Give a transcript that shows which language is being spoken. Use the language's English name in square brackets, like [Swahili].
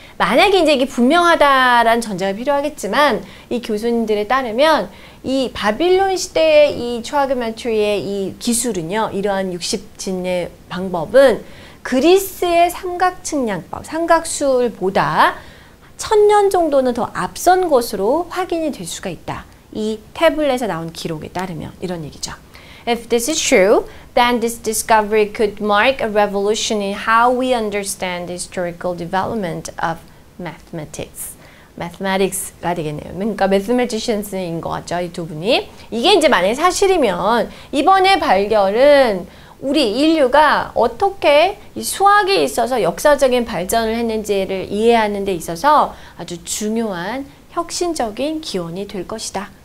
[Korean] 만약에 이제 이게 분명하다라는 전제가 필요하겠지만 이 교수님들에 따르면 이 바빌론 시대의 이 trigonometry의 이 기술은요, 이러한 60진의 방법은 그리스의 삼각측량법, 삼각술보다 1000년 정도는 더 앞선 것으로 확인이 될 수가 있다. 이 태블릿에 나온 기록에 따르면 이런 얘기죠. [English] If this is true, then this discovery could mark a revolution in how we understand the historical development of mathematics. [Korean] Mathematics가 되겠네요. 그러니까 mathematicians인 것 같죠, 이 두 분이. 이게 이제 만약에 사실이면 이번의 발견은 우리 인류가 어떻게 이 수학에 있어서 역사적인 발전을 했는지를 이해하는 데 있어서 아주 중요한 혁신적인 기원이 될 것이다.